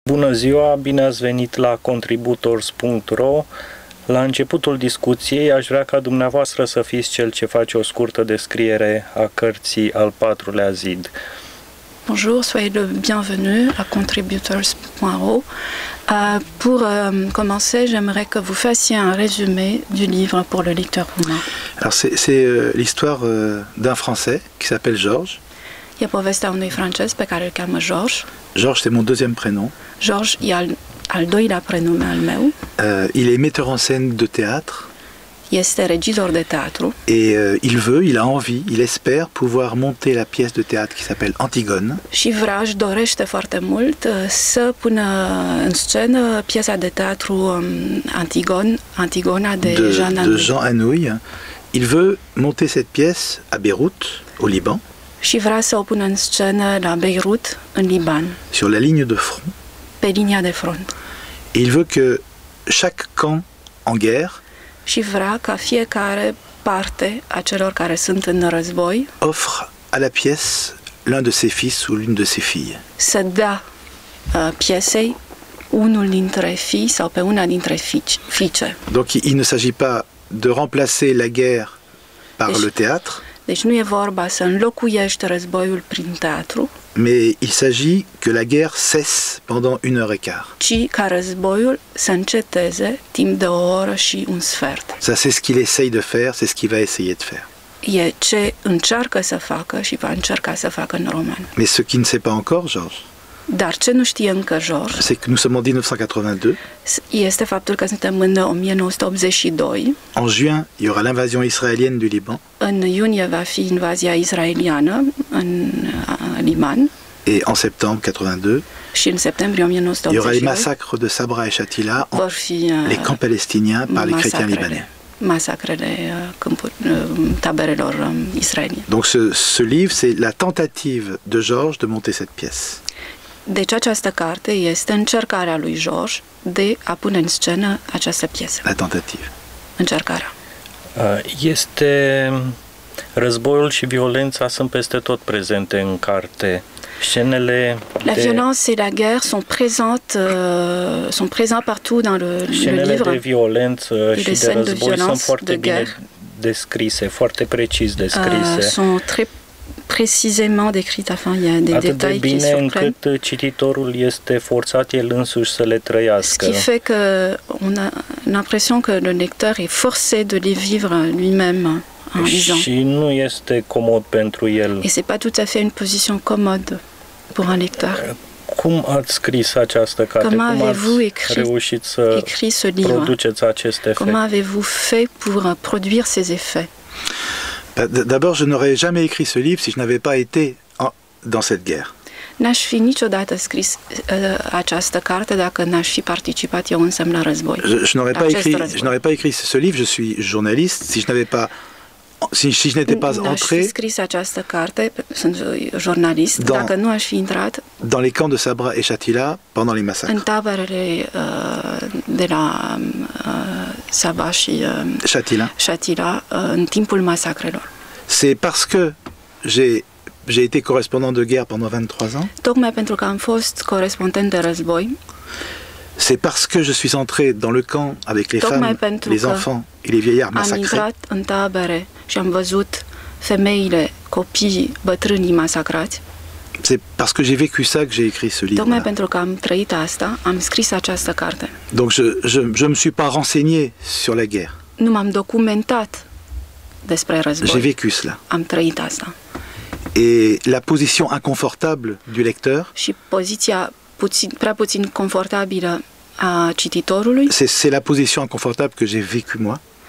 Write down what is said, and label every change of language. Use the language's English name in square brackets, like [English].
[Romanian] Bună ziua, bine ați venit la contributors.ro. La începutul discuției aș vrea ca dumneavoastră să fiți cel ce face o scurtă descriere a cărții Al patrulea zid. [French] Bonjour, soyez le bienvenu à contributors.ro. Pour commencer, j'aimerais que vous fassiez un résumé du livre pour le lecteur roumain. Alors c'est l'histoire d'un Français qui s'appelle Georges. [Romanian] E povestea unui francez pe care îl cheamă George. [French] George, c'est mon deuxième prénom. [Romanian] George e al doilea prénom al meu. [French] Il est metteur en scène de théâtre. [Romanian] Este regizor de teatru. [French] Et il veut, il a envie, il espère pouvoir monter la pièce de théâtre qui s'appelle Antigone. [Romanian] Și vrea, și dorește foarte mult să pună în scenă piesa de teatru Antigona de Jean Anouilh. [French] Il veut monter cette pièce à Beyrouth, au Liban. [Romanian] Și vrea să o pună în scenă la Beirut, în Liban. [French] Sur la ligne de front. [Romanian] Pe linia de front. [French] Et il veut que chaque camp en guerre. [Romanian] Și vrea ca fiecare parte a celor care sunt în război. [French] Offre à la pièce l'un de ses fils ou l'une de ses filles. [Romanian] Să dea piesei unul dintre fii sau pe una dintre fiice. [French] Donc il ne s'agit pas de remplacer la guerre par le théâtre. [Romanian] Deci nu e vorba să înlocuiești războiul prin teatru. [French] Mais il s'agit que la guerre cesse pendant une heure et quart. [Romanian] Ci ca războiul să înceteze timp de o oră și un sfert. [French] Ça c'est ce qu'il essaye de faire, c'est ce qu'il va essayer de faire. [Romanian] E ce încearcă să facă și va încerca să facă în roman. [French] Mais ce qui ne sait pas encore, George. [Romanian] Dar ce nu știe încă George. [French] C'est que nous sommes en 1982. [Romanian] Este faptul că suntem în 1982. [French] En juin, il y aura l'invasion israélienne du Liban. [Romanian] În iunie va fi invazia israeliană în Liban. [French] Et en septembre 82. [Romanian] Și în septembrie 1982. [French] Il y aura les massacres de Sabra et Shatila. [Romanian] Vor fi [French] les camps palestiniens par les chrétiens libanais. [Romanian] Masacrele taberelor israeliene. [French] Donc ce livre, c'est la tentative de George de monter cette pièce. [Romanian] Deci această carte este încercarea lui George de a pune în scenă această piesă. La tentativă. Încercarea. Este războiul și violența sunt peste tot prezente în carte. Scenele [French] La violence et la guerre sont présentes sont présents partout dans le livre. [Romanian] Scenele de violență și de război sunt foarte bine descrise, foarte precis descrise. [French] Sont très précisément décrite afin il y a des détails qui surprennent. [Romanian] Atât de bine încât cititorul este forțat el însuși să le trăiască. [French] Ce qui fait que on a l'impression que le lecteur est forcé de les vivre lui-même en lisant. [Romanian] Și nu este comod pentru el. [French] Et c'est pas tout à fait une position commode pour un lecteur. [Romanian] Cum ați scris această carte? [French] Comment avez-vous réussi à écrire ce livre? [Romanian] Produceți acest efect? [French] Comment avez-vous fait pour produire ces effets? D'abord, je n'aurais jamais écrit ce livre si je n'avais pas été dans cette guerre. [Romanian] N'aș fi niciodată scris această carte dacă n'aș fi participat eu însemi la război. [French] Je n'aurais pas écrit ce livre, je suis journaliste, si je n'étais pas entré. [Romanian] N-aș fi scris această carte, sunt jurnalist, dacă nu aș fi intrat [French] dans les camps de Sabra et Shatila pendant les massacres. [Romanian] În taberele de la Sabra și Shatila în timpul masacrelor. [French] C'est parce que j'ai été correspondant de guerre pendant 23 ans. [Romanian] Tocmai pentru că am fost corespondent de război. [French] C'est parce que je suis entré dans le camp avec les femmes, les enfants et les vieillards massacrés. [Romanian] Am intrat în tabere și am văzut femeile, copiii, bătrânii masacrați. [French] C'est parce que j'ai vécu ça que j'ai écrit ce livre. [Romanian] Tocmai pentru că am trăit asta, am scris această carte. [French] Donc je me suis pas renseigné sur la guerre. [Romanian] Nu m-am documentat despre război. [French] J'ai vécu cela. [Romanian] Am trăit asta. [French] Et la position inconfortable du lecteur? [Romanian] Și poziția prea puțin confortabilă a cititorului? [French] C'est la position inconfortable que j'ai vécu moi.